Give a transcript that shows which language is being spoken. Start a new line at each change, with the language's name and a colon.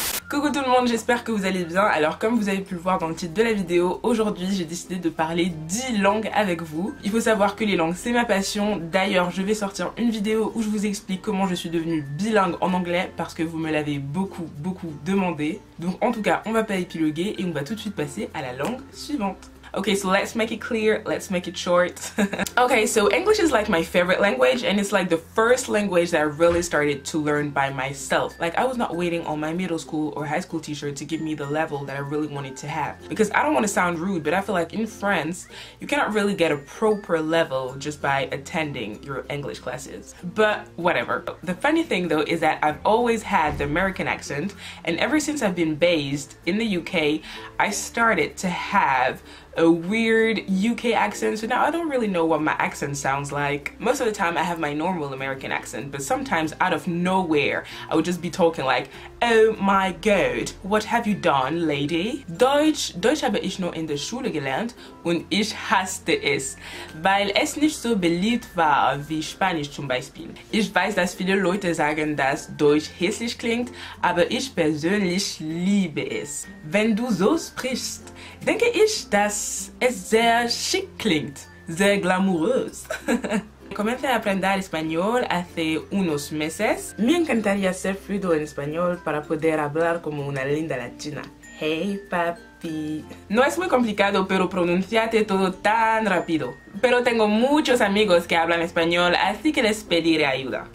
French: Coucou tout le monde, j'espère que vous allez bien. Alors comme vous avez pu le voir dans le titre de la vidéo, aujourd'hui j'ai décidé de parler 10 langues avec vous. Il faut savoir que les langues c'est ma passion. D'ailleurs je vais sortir une vidéo où je vous explique comment je suis devenue bilingue en anglais parce que vous me l'avez beaucoup demandé. Donc en tout cas on va pas épiloguer et on va tout de suite passer à la langue suivante.
English: Okay, so let's make it clear, let's make it short. Okay, so English is like my favorite language and it's like the first language that I really started to learn by myself. Like I was not waiting on my middle school or high school teacher to give me the level that I really wanted to have. Because I don't want to sound rude, but I feel like in France, you cannot really get a proper level just by attending your English classes. But whatever. The funny thing though is that I've always had the American accent and ever since I've been based in the UK, I started to have a weird UK accent, so now I don't really know what my accent sounds like. Most of the time I have my normal American accent, but sometimes out of nowhere I would just be talking like, oh my god, what have you done, lady?
German: Deutsch habe ich nur in der Schule gelernt und ich hasste es, weil es nicht so beliebt war wie Spanisch zum Beispiel. Ich weiß, dass viele Leute sagen, dass Deutsch hässlich klingt, aber ich persönlich liebe es. Wenn du so sprichst, denke ich, dass es sehr chic klingt, sehr glamourös.
Spanish: Comencé a aprender español hace unos meses. Me encantaría ser fluido en español para poder hablar como una linda latina. Hey papi. No es muy complicado, pero pronunciate todo tan rápido. Pero tengo muchos amigos que hablan español, así que les pediré ayuda.